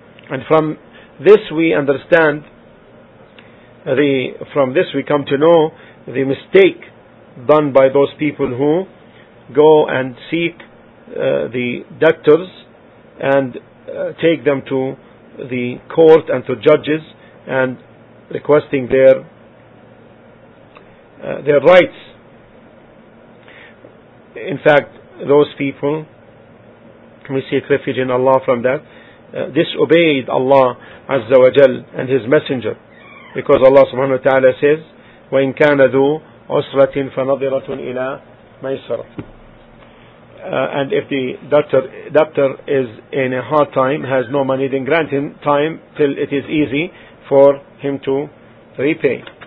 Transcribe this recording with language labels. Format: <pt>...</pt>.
<en>And from this we understand, from this we come to know the mistake done by those people who go and seek the debtors and take them to the court and to judges and requesting their rights. In fact, those people, we seek refuge in Allah from that, disobeyed Allah Azza wa Jal and His Messenger. Because Allah subhanahu wa ta'ala says,</en> <ar>وَإِنْ كَانَ ذُو عُسْرَةٍ فَنَظِرَةٌ إِلَى مَيْسَرَةٍ.</ar> <en>And if the debtor is in a hard time, has no money, then grant him time till it is easy for him to repay.</en>